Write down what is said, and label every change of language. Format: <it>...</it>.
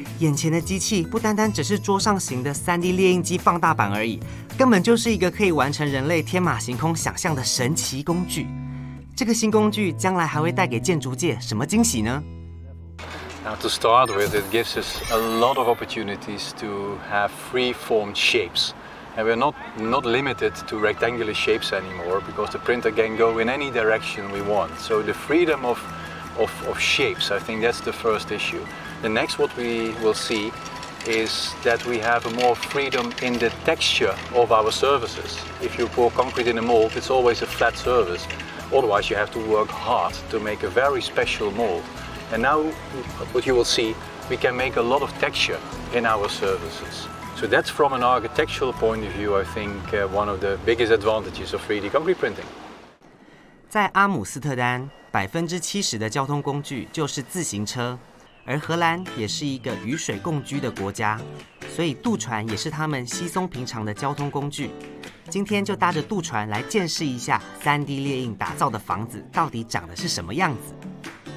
<zh>眼前的机器不单单只是桌上型的 3D 猎鹰机放大版而已，根本就是一个可以完成人类天马行空想象的神奇工具。这个新工具将来还会带给建筑界什么惊喜呢？</zh> <en>Now to start with, it gives us a lot of opportunities to have free-form shapes, and we're not limited to rectangular shapes anymore because the printer can go in any direction we want. So the freedom of shapes, I think that's the first issue. The next, what we will see, is that we have a more freedom in the texture of our surfaces. If you pour concrete in a mold, it's always a flat surface. Otherwise, you have to work hard to make a very special mold. And now, what you will see, we can make a lot of texture in our surfaces. So that's from an architectural point of view, I think, one of the biggest advantages of 3D concrete printing.</en> <zh>在阿姆斯特丹70%的交通工具就是自行车，而荷兰也是一个与水共居的国家，所以渡船也是他们稀松平常的交通工具。今天就搭着渡船来见识一下 3D 列印打造的房子到底长得是什么样子。</zh>